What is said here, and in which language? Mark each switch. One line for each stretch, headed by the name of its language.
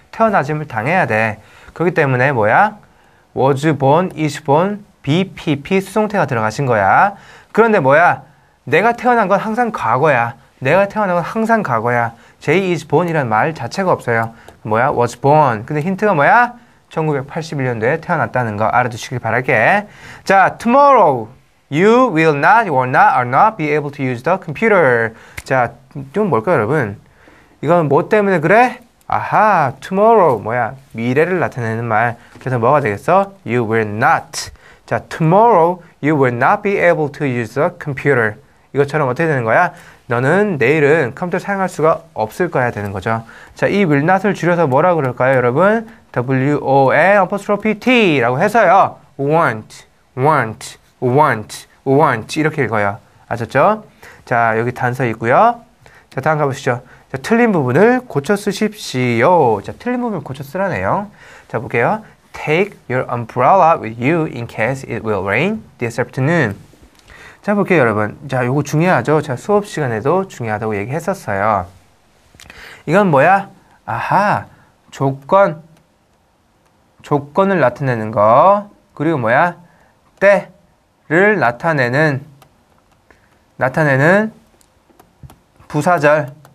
Korean: 태어나짐을 당해야 돼. 그렇기 때문에 뭐야?
English: was born, is born,
Korean: BPP 수동태가 들어가신 거야. 그런데 뭐야? 내가 태어난 건 항상 과거야.
English: J is born
Korean: 이라는 말 자체가 없어요. 뭐야?
English: was born.
Korean: 근데 힌트가 뭐야? 1981년도에 태어났다는 거 알아두시길 바랄게.
English: 자, tomorrow you will not, will not, or not be able to use the computer.
Korean: 자, 이건 뭘까요, 여러분? 이건 뭐 때문에 그래? 아하, tomorrow, 뭐야, 미래를 나타내는 말. 그래서 뭐가 되겠어?
English: You will not. 자, tomorrow, you will not be able to use a computer.
Korean: 이것처럼 어떻게 되는 거야? 너는 내일은 컴퓨터 사용할 수가 없을 거야 되는 거죠. 자, 이 will not을 줄여서 뭐라 그럴까요, 여러분? won't라고 해서요. won't, 이렇게 읽어요. 아셨죠? 자, 여기 단서 있고요. 자, 다음 가보시죠. 자, 틀린 부분을 고쳐 쓰십시오. 자, 틀린 부분을 고쳐 쓰라네요. 자, 볼게요.
English: Take your umbrella with you in case it will rain this afternoon.
Korean: 자, 볼게요, 여러분. 자, 요거 중요하죠. 자, 수업 시간에도 중요하다고 얘기했었어요. 이건 뭐야? 아하, 조건. 조건을 나타내는 거. 그리고 뭐야? 때를 나타내는 부사절.